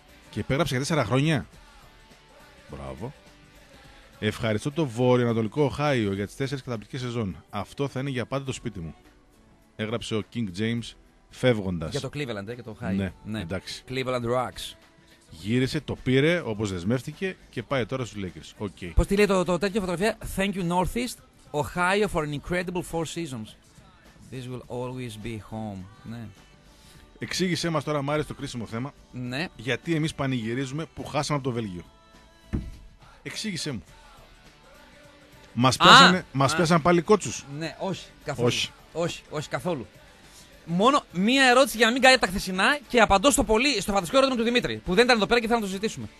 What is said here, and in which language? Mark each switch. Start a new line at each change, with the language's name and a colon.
Greek: Και υπέγραψε για 4 χρόνια. Μπράβο. Ευχαριστώ το Βόρειο-Ανατολικό Οχάιο για τις 4 καταπληκτικές σεζόν. Αυτό θα είναι για πάντα το σπίτι μου. Έγραψε ο King James φεύγοντας. Για το Cleveland, και το Οχάιο. Ναι, ναι, εντάξει.
English: Cleveland Rocks.
Greek: Γύρισε, το πήρε όπως δεσμεύτηκε και πάει τώρα στους Lakers.
English: Okay.
Greek: Πώς τη λέει το τέτοιο φωτογραφία?
English: Thank you Northeast, Ohio for an incredible four seasons. This will always be home.
Greek: Ναι. Εξήγησέ μας τώρα, Μάριο, το κρίσιμο θέμα. Ναι. Γιατί εμείς πανηγυρίζουμε που χάσαμε από το Βέλγιο. Εξήγησέ μου. Μας πιάσανε πάλι κότσους. Ναι, όχι, καθόλου. Όχι, καθόλου. Μόνο μία ερώτηση για να μην κάνετε τα χθεσινά και απαντώ στο πολύ, στο φανταστικό ερώτημα του Δημήτρη που δεν ήταν εδώ πέρα και θέλω να το συζητήσουμε.